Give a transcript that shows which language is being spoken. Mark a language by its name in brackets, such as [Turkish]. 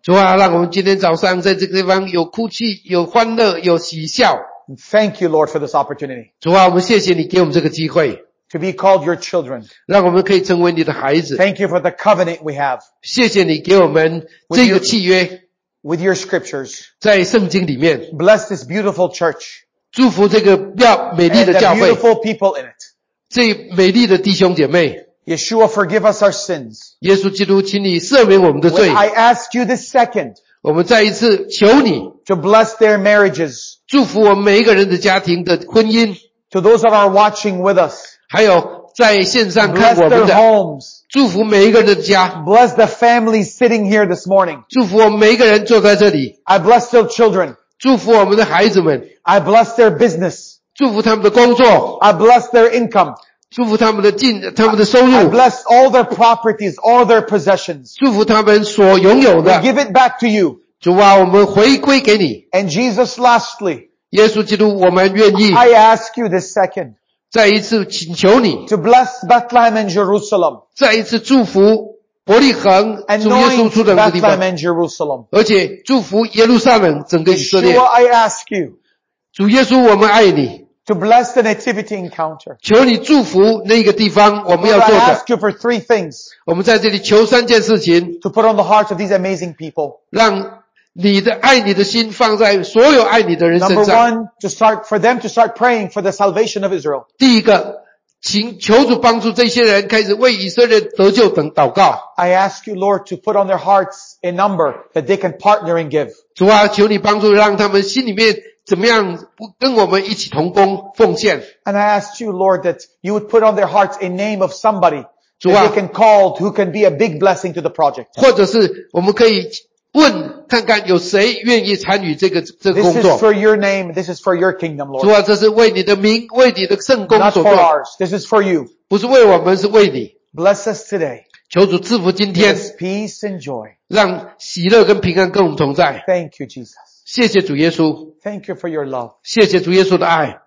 [Chinese] 主啊，让我们今天早上在这个地方有哭泣、有欢乐、有喜笑。 [English] Thank you, Lord, for this opportunity. [Chinese] 主啊，我们谢谢你给我们这个机会。 [English] To be called your children. [Chinese] 让我们可以成为你的孩子。 [English] Thank you for the covenant we have. [Chinese] 谢谢你给我们这个契约。 [English] With your scriptures. [Chinese] 在圣经里面。 [English] Bless this beautiful church. [Chinese] 祝福这个要美丽的教会。 [English] And the beautiful people in it. [Chinese] 这美丽的弟兄姐妹。 [English] Yeshua, forgive us our sins. [Chinese] 耶稣基督，请你赦免我们的罪。 [English] I ask you this second. [Chinese] 我们再一次求你。 [English] To bless their marriages. [Chinese] 祝福我们每一个人的家庭的婚姻。 [English] To those that are watching with us. [Chinese] 还有在线上看我们的。祝福每一个人的家。 [English] Bless the family sitting here this morning. [Chinese] 祝福我们每一个人坐在这里。 [English] I bless their children. [Chinese] 祝福我们的孩子们。 [English] I bless their business. [Chinese] 祝福他们的工作。 [English] I bless their income. [Chinese] 祝福他们的进，他们的收入。 [English] I bless all their properties, all their possessions. [Chinese] 祝福他们所拥有的。 [English] We give it back to you. [Chinese] 主啊，我们回归给你。 [English] And Jesus, lastly, [Chinese] 耶稣基督，我们愿意。 [English] I ask you this second, [Chinese] 再一次请求你。 [English] To bless Bethlehem and Jerusalem, [Chinese] 再一次祝福伯利恒，主耶稣出生的地方。 [English] Bethlehem and Jerusalem, [Chinese] 而且祝福耶路撒冷整个以色列。 [English] Yeshua, I ask you, [Chinese] 主耶稣，我们爱你。 [English] To bless the nativity encounter, [Chinese] 求你祝福那个地方我们要做的。 [English] I ask you for three things, [Chinese] 我们在这里求三件事情。 [English] To put on the hearts of these amazing people, [Chinese] 让你的爱你的心放在所有爱你的人身上。 [English] Number one, to start, for them to start praying for the salvation of Israel. [Chinese] 第一个，请求主帮助这些人开始为以色列得救等祷告。 [English] I ask you, Lord, to put on their hearts a number that they can partner and give. [Chinese] 主啊，求你帮助让他们心里面怎么样跟我们一起同工奉献。 [English] And I ask you, Lord, that you would put on their hearts a name of somebody、啊、 that they can call who can be a big blessing to the project. [Chinese] 或者是我们可以问看看有谁愿意参与这个工作。 [English] This is for your name, this is for your kingdom, Lord. [Chinese] 主啊，这是为你的名，为你的圣工所做。 [English] Not for ours, this is for you. [Chinese] 不是为我们，是为你。 [English] Bless us today. [Chinese] 求主赐福今天。 [English] Give us peace and joy. [Chinese] 让喜乐跟平安跟我们同在。 [English] Thank you, Jesus. [Chinese] 谢谢主耶稣。 [English] Thank you for your love. [Chinese] 谢谢主耶稣的爱。